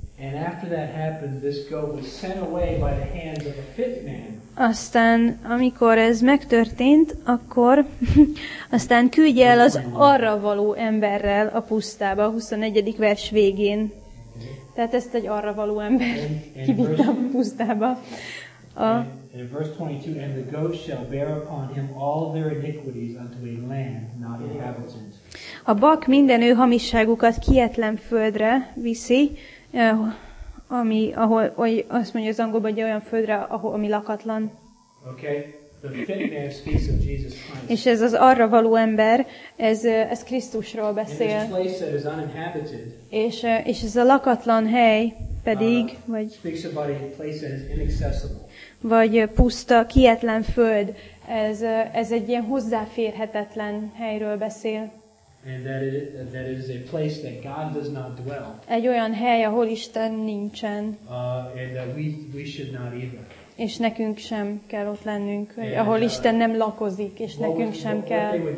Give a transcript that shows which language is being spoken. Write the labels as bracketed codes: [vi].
[en] And after that happened, this goat was sent away by the hands of a fit man. [hu] Aztán, amikor ez megtörtént, akkor aztán küldj el az arra való emberrel a pusztába, a 21. vers végén. Tehát ezt egy arra való ember kivitt a pusztába. [en] In verse 22, and the goat shall bear upon him all their iniquities unto a land not inhabited. [hu] A bak minden ő hamisságukat kietlen földre viszi, ami ahol, vagy azt mondja az angolban, hogy olyan földre, ahol ami lakatlan. [en] Okay. The fit man speaks of Jesus Christ. [hu] És ez az arra való ember, ez Krisztusról beszél. [en] And this place that is uninhabited, [hu] és ez a lakatlan hely pedig, vagy [en] speaks about a place that is inaccessible. [hu] Vagy puszta, kietlen föld, ez egy ilyen hozzáférhetetlen helyről beszél. [en] And that is a place that God does not dwell. [hu] Egy olyan hely, ahol Isten nincsen. [en] And that we should not either. [hu] És nekünk sem kell ott lennünk, vagy, ahol Isten nem lakozik, és nekünk sem kell.